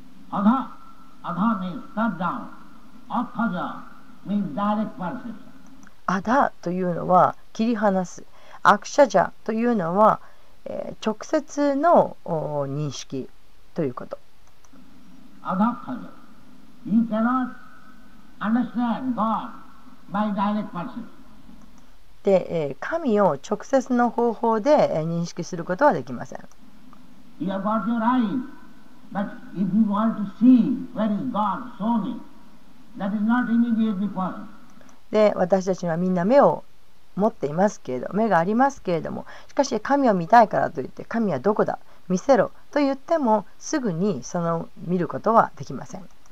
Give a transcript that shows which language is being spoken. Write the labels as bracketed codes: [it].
[en] アダ、アダ means cut down. アカジャ means direct person. [ja] アダというのは切り離す、アクシャジャというのは、直接の認識ということ。 [en] アダカジャ、 You cannot understand God by direct person. [ja] で、神を直接の方法で認識することはできません。 [en] You have got your eyes, but if you want to see where is God showing me, that is not immediately possible. [ja] で、私たちはみんな目を持っていますけれど、目がありますけれども、しかし神を見たいからといって、神はどこだ、見せろと言っても、すぐにその見ることはできません。